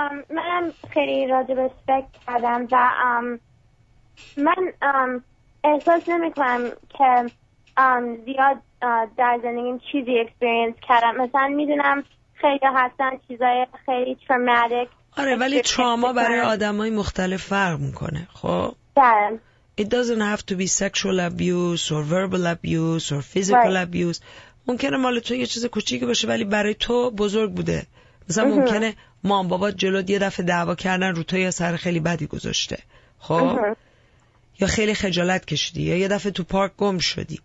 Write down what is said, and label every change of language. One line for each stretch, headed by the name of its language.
Persian: من خیلی راجبش فکر کردم و من احساس نمی کنم که زیاد در زندگیم چیزی اکسپیرینس کردم. مثلا می دونم خیلی هستن چیزای خیلی تروماتیک. آره ولی تروما برای آدم های مختلف فرق میکنه. خب
English: It doesn't have to be sexual abuse or verbal abuse or physical abuse.
Persian: ممکنه مال تو یه چیز کوچیک باشه ولی برای تو بزرگ بوده. مثلا ممکنه مام بابا جلوت یه دفعه دعوا کردن رو تو یه سر خیلی بدی گذاشته. خب؟ یا خیلی خجالت کشیدی یا یه دفعه تو پارک گم شدی.